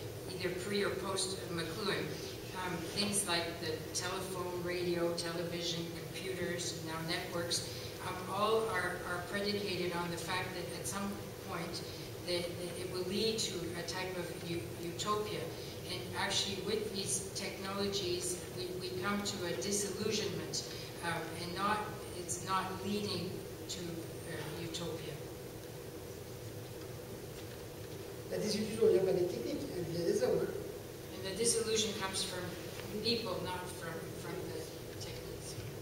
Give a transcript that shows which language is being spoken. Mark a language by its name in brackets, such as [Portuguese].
[English] Either pre or post McLuhan, things like the telephone, radio, television, computers, and now networks, all are predicated on the fact that at some point that it will lead to a type of utopia. And actually with these technologies, we come to a disillusionment, and it's not leading to utopia. [French] La désillusion ne vient pas des techniques, elle vient des hommes. [English] And the disillusion comes from people, not from the techniques.